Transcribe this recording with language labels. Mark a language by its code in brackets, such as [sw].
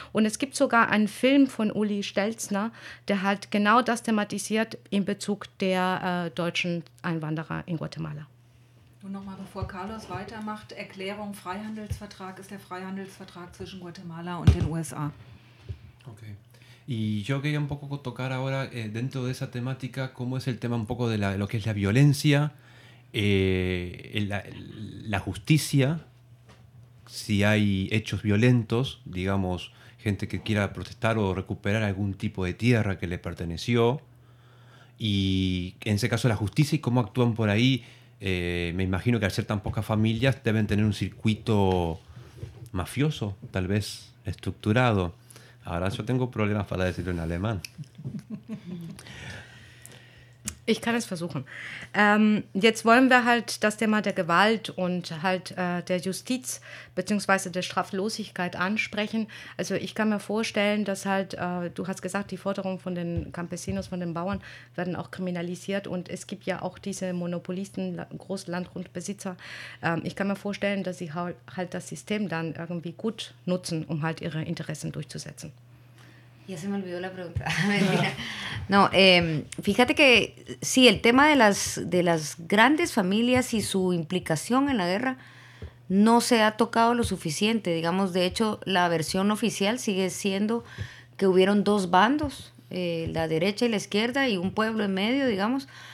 [de] Und es gibt sogar einen Film von Uli Stelzner, der halt genau das thematisiert in Bezug der deutschen Einwanderer in Guatemala. Nun nochmal, bevor Carlos weitermacht, Erklärung, Freihandelsvertrag ist der Freihandelsvertrag zwischen Guatemala und den USA. Okay. [es] Y yo quería un poco tocar ahora, dentro de esa temática, cómo es el tema un poco de lo que es la violencia, la justicia, si hay hechos violentos, digamos, gente que quiera protestar o recuperar algún tipo de tierra que le perteneció, y en ese caso la justicia y cómo actúan por ahí. Me imagino que al ser tan pocas familias deben tener un circuito mafioso, tal vez estructurado. Ahora yo tengo problemas para decirlo en alemán. [de] Ich kann es versuchen. Jetzt wollen wir halt das Thema der Gewalt und halt der Justiz bzw. der Straflosigkeit ansprechen. Also ich kann mir vorstellen, dass halt, du hast gesagt, die Forderungen von den Campesinos, von den Bauern werden auch kriminalisiert, und es gibt ja auch diese Monopolisten, Großlandgrundbesitzer. Ich kann mir vorstellen, dass sie halt das System dann irgendwie gut nutzen, um halt ihre Interessen durchzusetzen. [es] Ya se me olvidó la pregunta. No, fíjate que sí, el tema de las grandes familias y su implicación en la guerra no se ha tocado lo suficiente. Digamos, de hecho, la versión oficial sigue siendo que hubieron dos bandos, la derecha y la izquierda, y un pueblo en medio, digamos.